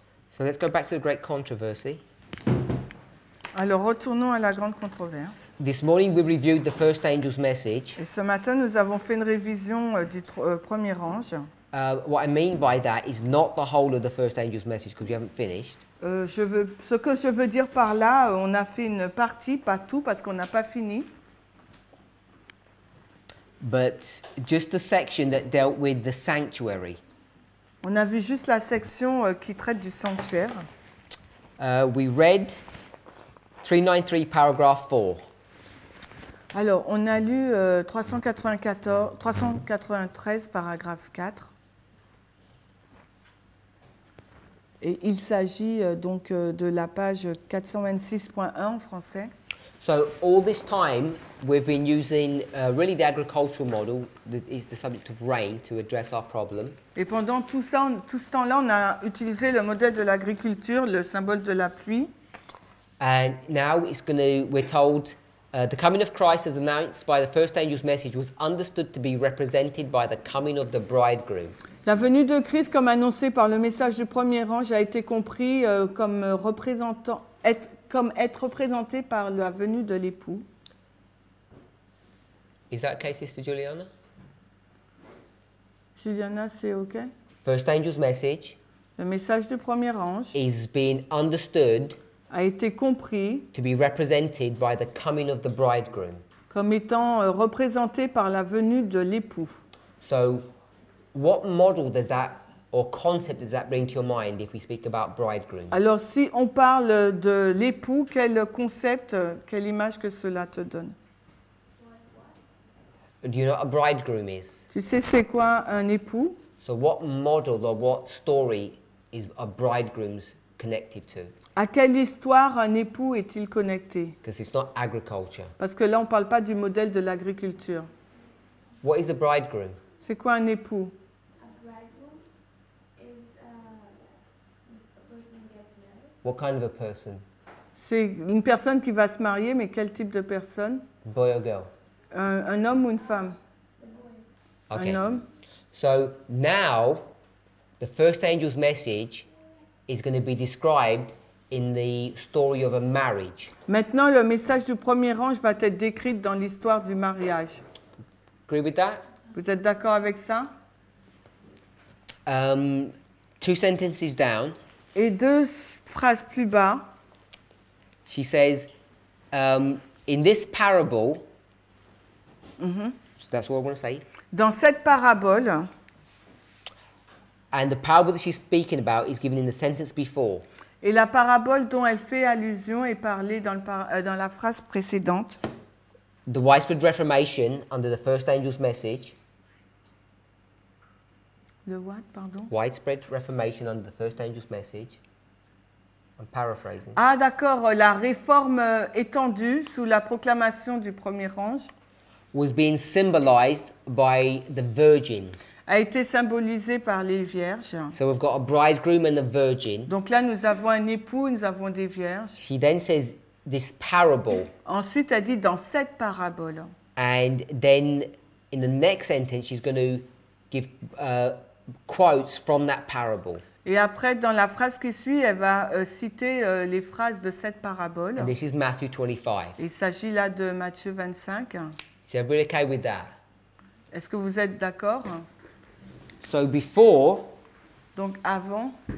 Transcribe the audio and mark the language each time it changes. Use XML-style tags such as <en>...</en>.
<en>So let's go back to the great controversy.</en> <fr>Alors retournons à la grande controverse.</fr> <en>This morning we reviewed the first angel's message.</en> <fr>Et ce matin nous avons fait une révision du premier ange.</fr> <en>What I mean by that is not the whole of the first angel's message because we haven't finished.</en> <fr>Ce que je veux dire par là, on a fait une partie, pas tout parce qu'on n'a pas fini.</fr> <en>But just the section that dealt with the sanctuary.</en> <fr>On a vu juste la section qui traite du sanctuaire.</fr> <en>We read 393, paragraph 4.</en> <fr>Alors, on a lu 393, paragraphe 4. Et il s'agit donc de la page 426.1 en français.</fr> <en>So, all this time, we've been using really the agricultural model that is the subject of rain to address our problem.</en> <fr>Et pendant tout ce temps-là, on a utilisé le modèle de l'agriculture, le symbole de la pluie.</fr> <en>And now we're told the coming of Christ as announced by the first angel's message was understood to be represented by the coming of the bridegroom.</en> <fr>La venue de Christ comme annoncée par le message du premier ange a été compris comme représentant comme être représenté par la venue de l'époux.</fr> <en>Is that okay, Sister Juliana?</en> <fr>Juliana, c'est okay?</fr> <en>First angel's message.</en> <fr>Le message du premier ange.</fr> <en>Is being understood.</en> <fr>A été compris.</fr> <en>To be represented by the coming of the bridegroom.</en> <fr>Comme étant représenté par la venue de l'époux.</fr> <en>So, what model does that or concept does that bring to your mind if we speak about bridegroom?</en> <fr>Alors, si on parle de l'époux, quel concept, quelle image que cela te donne?</fr> <en>Do you know what a bridegroom is?</en> <fr>Tu sais c'est quoi un époux?</fr> <en>So what model or what story is a bridegroom's connected to?</en> <fr>À quelle histoire un époux est-il connecté?</fr> <en>Because it's not agriculture.</en> <fr>Parce que là on parle pas du modèle de l'agriculture.</fr> <en>What is a bridegroom?</en> <fr>C'est quoi un époux?</fr> <en>What kind of a person?</en> <fr>C'est une personne qui va se marier, mais quel type de personne?</fr> <en>Boy or girl?</en> <fr>Un homme ou une femme?</fr> <en>Okay.</en> <fr>Un homme.</fr> <en>So now, the first angel's message is going to be described in the story of a marriage.</en> <fr>Maintenant, le message du premier ange va être décrit dans l'histoire du mariage.</fr> <en>Agree with that?</en> <fr>Vous êtes d'accord avec ça?</fr> <en>Two sentences down.</en> <fr>Et deux phrases plus bas.</fr> <en>She says, in this parable, so that's what I want to say.</en> <fr>Dans cette parabole,</fr> <en>and the parable that she's speaking about is given in the sentence before.</en> <fr>Et la parabole dont elle fait allusion est parlée dans, dans la phrase précédente.</fr> <en>The widespread reformation under the first angel's message. The what, pardon? Widespread reformation under the first angel's message. I'm paraphrasing.</en> <fr>Ah, d'accord. La réforme étendue sous la proclamation du premier ange.</fr> <en>Was being symbolized by the virgins.</en> <fr>A été symbolisée par les vierges.</fr> <en>So we've got a bridegroom and a virgin.</en> <fr>Donc là, nous avons un époux, nous avons des vierges.</fr> <en>She then says this parable.</en> <fr>Ensuite, elle dit dans cette parabole.</fr> <en>And then in the next sentence, she's going to give quotes from that parable.</en> <fr>Et après, dans la phrase qui suit, elle va citer les phrases de cette parabole.</fr> <en>And this is Matthew 25.</en> <fr>Il s'agit là de Matthieu 25.</fr> <en>Is everybody okay with that?</en> <fr>Est-ce que vous êtes d'accord?</fr> <en>So before.</en> <fr>Donc avant.</fr>